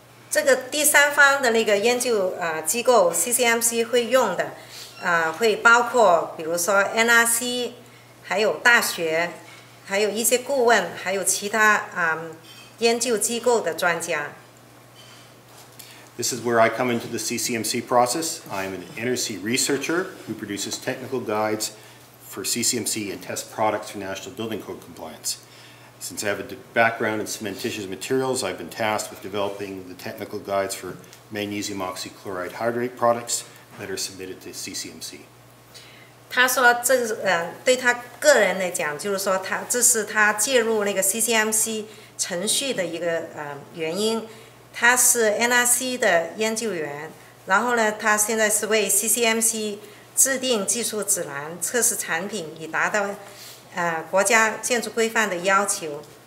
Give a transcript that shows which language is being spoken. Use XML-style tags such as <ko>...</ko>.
<zh>这个第三方的那个研究机构 CCMC 会用的，会包括比如说 NRC， 还有大学，还有一些顾问，还有其他研究机构的专家。</zh> <en>This is where I come into the CCMC process. I'm an NRC researcher who produces technical guides for CCMC and test products for National Building Code compliance. Since I have a background in cementitious materials, I've been tasked with developing the technical guides for magnesium oxychloride hydrate products that are submitted to CCMC.</en> <zh>他说这是对他个人来讲，就是说他这是他介入那个 CCMC 程序的一个原因。他是 NRC 的研究员，然后呢，他现在是为 CCMC 制定技术指南、测试产品，以达到国家建筑规范的要求。</zh>